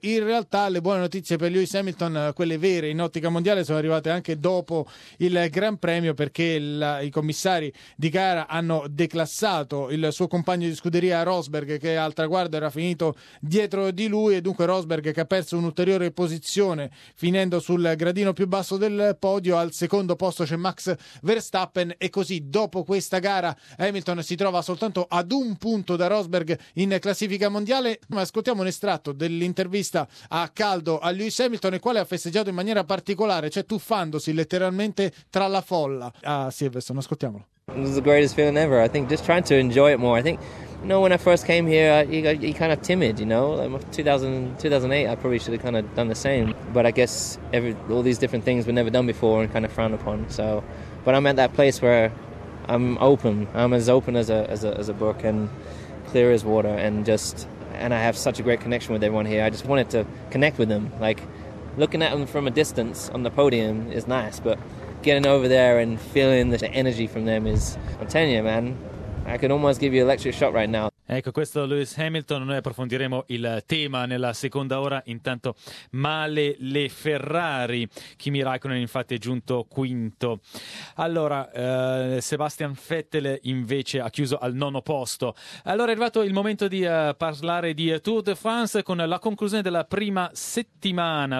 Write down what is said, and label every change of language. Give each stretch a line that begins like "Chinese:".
Italian: In realtà le buone notizie per Lewis Hamilton, quelle vere in ottica mondiale, sono arrivate anche dopo il Gran Premio, perché i commissari di gara hanno declassato il suo compagno di scuderia Rosberg, che al traguardo era finito dietro di lui, e dunque Rosberg, che ha perso un'ulteriore posizione finendo sul gradino più basso del podio, al secondo posto c'è Max Verstappen, e così dopo questa gara Hamilton si trova soltanto ad un punto da Rosberg in classifica mondiale. Ma ascoltiamo un estratto dell'intervista a caldo a Lewis Hamilton, il quale ha festeggiato in maniera particolare, cioè tuffandosi letteralmente tra la folla a Silverstone. Ascoltiamolo.
English: It was the greatest feeling ever. I think just trying to enjoy it more. I think, you know, when I first came here, you kind of timid, you know. Like 2008, I probably should have kind of done the same. But I guess all these different things were never done before and kind of frowned upon. So, but I'm at that place where I'm open. I'm as open as a book and clear as water, and I have such a great connection with everyone here. I just wanted to connect with them. Like looking at them from a distance on the podium is nice, but getting over there and feeling the energy from them is, I'm telling you, man, I can almost give you an electric shock right now.
Italian: Ecco, questo è Lewis Hamilton. Noi approfondiremo il tema nella seconda ora. Intanto male le Ferrari. Kimi Raikkonen infatti è giunto quinto. Allora, Sebastian Vettel invece ha chiuso al 9° posto. Allora è arrivato il momento di parlare di Tour de France, con la conclusione della prima settimana.